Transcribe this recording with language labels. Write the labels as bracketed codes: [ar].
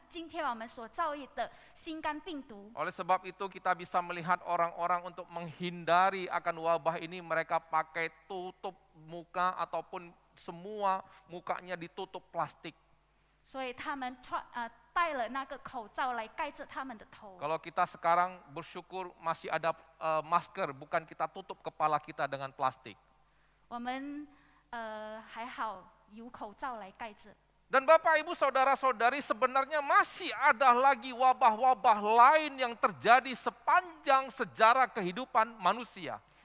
[zh] 这个西班牙流感好像今天我们所遭遇的新冠病毒。 [id] Oleh sebab itu kita bisa melihat orang-orang untuk menghindari akan wabah ini, mereka pakai tutup muka ataupun semua mukanya ditutup plastik. [zh] 所以他们戴了那个口罩来盖着他们的头。 [id] Kalau kita sekarang bersyukur masih ada masker, bukan kita tutup kepala kita dengan plastik. [zh] 我们还好有口罩来盖着。 [id] Dan Bapak, Ibu, Saudara, Saudari, sebenarnya masih ada lagi wabah-wabah lain yang terjadi sepanjang sejarah kehidupan manusia.